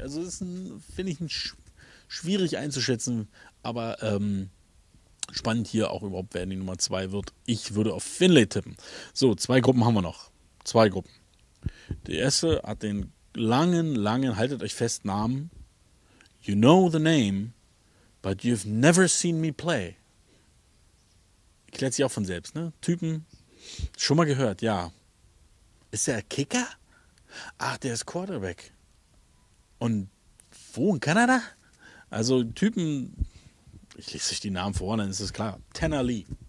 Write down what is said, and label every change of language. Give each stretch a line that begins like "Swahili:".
German: Also ist, finde ich, schwierig einzuschätzen. Aber spannend hier auch überhaupt, wer die Nummer 2 wird. Ich würde auf Finley tippen. So, 2 Gruppen haben wir noch. 2 Gruppen. Die erste hat den langen, haltet euch fest, Namen.
English: You know the name, but you've never seen me play.
German: Klärt sich auch von selbst, ne? Typen, schon mal gehört, ja. Ist der Kicker? Ach, der ist Quarterback. Und wo in Kanada? Also Typen, ich lese euch die Namen vor, dann ist es klar. Tanner Lee.